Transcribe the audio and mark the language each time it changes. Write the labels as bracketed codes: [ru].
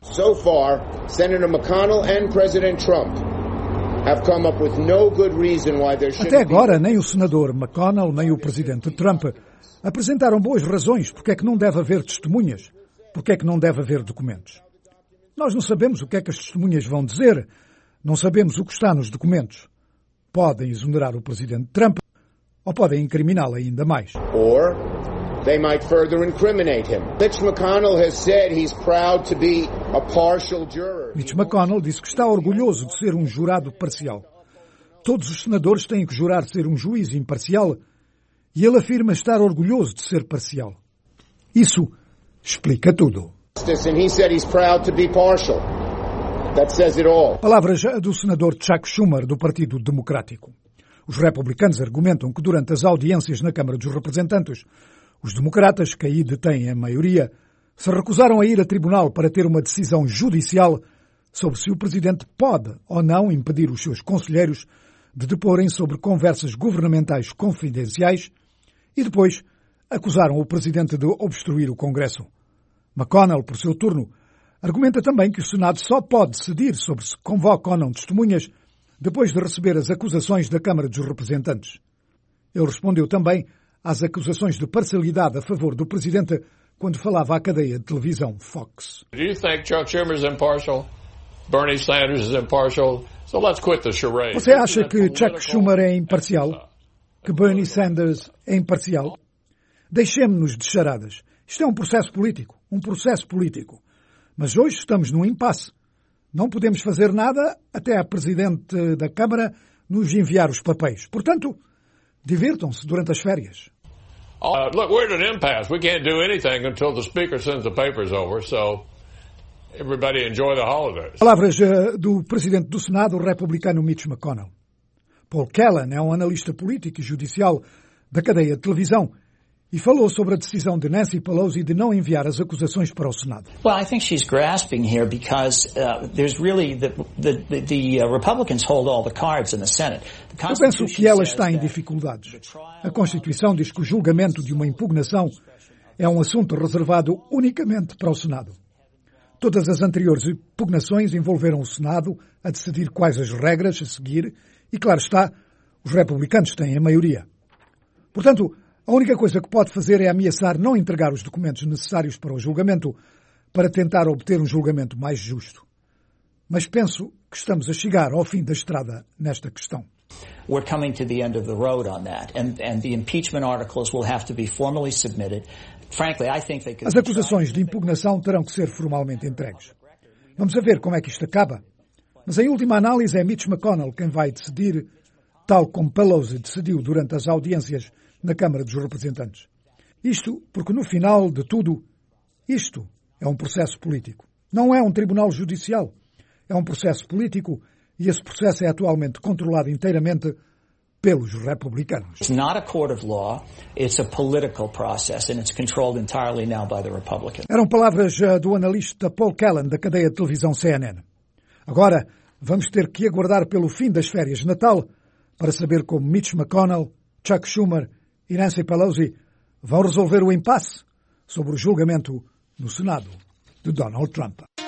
[en] So far, Senator McConnell and President Trump have come up with no good reason why there shouldn't [pt] be. Até agora, nem o senador McConnell nem o presidente Trump apresentaram boas razões porque é que não deve haver testemunhas, porque é que não deve haver documentos. Nós não sabemos o que é que as testemunhas vão dizer, não sabemos o que está nos documentos. Podem exonerar o presidente Trump ou podem incriminá-lo ainda mais. [en] Or they might further incriminate him. Mitch McConnell has said he's proud to be a partial juror. [pt] Mitch McConnell disse que está orgulhoso de ser um jurado parcial. Todos os senadores têm que jurar ser um juiz imparcial e ele afirma estar orgulhoso de ser parcial. Isso explica tudo. [en] And he said he's proud to be partial. That says it all. [pt] Palavras do senador Chuck Schumer, do Partido Democrático. Os republicanos argumentam que durante as audiências na Câmara dos Representantes, os democratas, que aí detêm a maioria, se recusaram a ir a tribunal para ter uma decisão judicial sobre se o presidente pode ou não impedir os seus conselheiros de deporem sobre conversas governamentais confidenciais e depois acusaram o presidente de obstruir o Congresso. McConnell, por seu turno, argumenta também que o Senado só pode decidir sobre se convoca ou não testemunhas depois de receber as acusações da Câmara dos Representantes. Ele respondeu também às acusações de parcialidade a favor do presidente quando falava à cadeia de televisão Fox. [en] Do you think Chuck Schumer is impartial? Bernie Sanders is impartial? So let's quit the charade. [pt] Você acha que Chuck Schumer é imparcial? Que Bernie Sanders é imparcial? Deixemos-nos de charadas. Isto é um processo político. Um processo político. Mas hoje estamos num impasse. Não podemos fazer nada até a presidente da Câmara nos enviar os papéis. Portanto, divirtam-se durante as férias. [en] Look, we're at an impasse. We can't do anything until the speaker sends the papers over, so everybody enjoy the holidays. [pt] Palavras do presidente do Senado, o republicano Mitch McConnell. Paul Kellen é um analista político e judicial da cadeia de televisão e falou sobre a decisão de Nancy Pelosi de não enviar as acusações para o Senado. [en] Well, I think she's grasping here because there's really the Republicans hold all the cards in the Senate. [pt] Eu penso que ela está em dificuldades. A Constituição diz que o julgamento de uma impugnação é um assunto reservado unicamente para o Senado. Todas as anteriores impugnações envolveram o Senado a decidir quais as regras a seguir e, claro está, os republicanos têm a maioria. Portanto, a única coisa que pode fazer é ameaçar não entregar os documentos necessários para o julgamento para tentar obter um julgamento mais justo. Mas penso que estamos a chegar ao fim da estrada nesta questão. [en] We're coming to the end of the road on that, and the impeachment articles will have to be formally submitted. Frankly, I think they could. [pt] As acusações de impugnação terão que ser formalmente entregues. Vamos a ver como é que isto acaba. Mas em última análise é Mitch McConnell quem vai decidir, tal como Pelosi decidiu durante as audiências na Câmara dos Representantes. Isto porque no final de tudo, isto é um processo político. Não é um tribunal judicial. É um processo político. E esse processo é atualmente controlado inteiramente pelos republicanos. [en] It's not a court of law, it's a political process, and it's controlled entirely now by the Republicans. [pt] Eram palavras do analista Paul Kellen, da cadeia de televisão CNN. Agora, vamos ter que aguardar pelo fim das férias de Natal para saber como Mitch McConnell, Chuck Schumer e Nancy Pelosi vão resolver o impasse sobre o julgamento no Senado de Donald Trump.